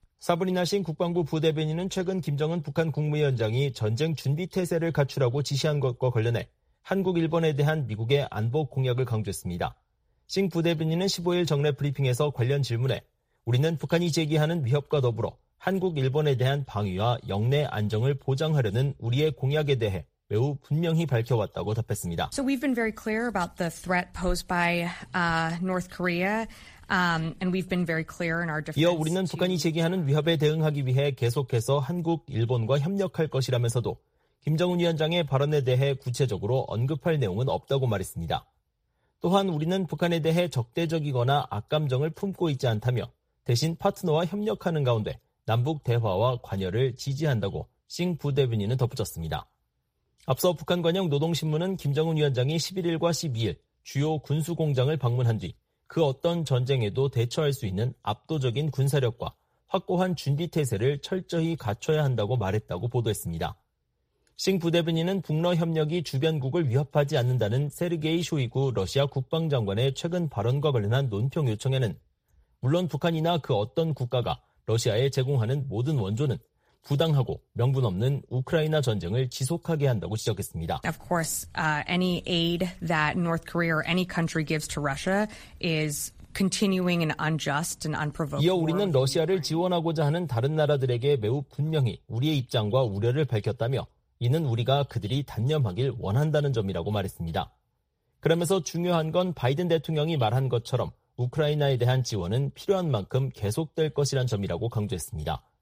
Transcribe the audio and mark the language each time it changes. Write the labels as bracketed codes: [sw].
[ko] 사브리나 신 국방부 부대변인은 최근 김정은 북한 국무위원장이 전쟁 준비태세를 갖추라고 지시한 것과 관련해 한국, 일본에 대한 미국의 안보 공약을 강조했습니다. 신 부대변인은 15일 정례 브리핑에서 관련 질문에 우리는 북한이 제기하는 위협과 더불어 한국, 일본에 대한 방위와 역내 안정을 보장하려는 우리의 공약에 대해 매우 분명히 밝혀왔다고 답했습니다. [en] So we've been very clear about the threat posed by North Korea. And we've been very clear in our defense. [ko] 이어 우리는 북한이 제기하는 위협에 대응하기 위해 계속해서 한국, 일본과 협력할 것이라면서도 김정은 위원장의 발언에 대해 구체적으로 언급할 내용은 없다고 말했습니다. 또한 우리는 북한에 대해 적대적이거나 악감정을 품고 있지 않다며 대신 파트너와 협력하는 가운데 남북 대화와 관여를 지지한다고 싱 부대변인은 덧붙였습니다. 앞서 북한 관영 노동신문은 김정은 위원장이 11일과 12일 주요 군수공장을 방문한 뒤 그 어떤 전쟁에도 대처할 수 있는 압도적인 군사력과 확고한 준비태세를 철저히 갖춰야 한다고 말했다고 보도했습니다. 싱 부대변인은 북러 협력이 주변국을 위협하지 않는다는 세르게이 쇼이구 러시아 국방장관의 최근 발언과 관련한 논평 요청에는 물론 북한이나 그 어떤 국가가 러시아에 제공하는 모든 원조는 부당하고 명분 없는 우크라이나 전쟁을 지속하게 한다고 지적했습니다. [en] Of course, any aid that North Korea or any country gives to Russia is continuing an unjust and unprovoked. [ko] 이어 우리는 러시아를 지원하고자 하는 다른 나라들에게 매우 분명히 우리의 입장과 우려를 밝혔다며 이는 우리가 그들이 단념하길 원한다는 점이라고 말했습니다. 그러면서 중요한 건 바이든 대통령이 말한 것처럼 우크라이나에 대한 지원은 필요한 만큼 계속될 것이란 점이라고 강조했습니다.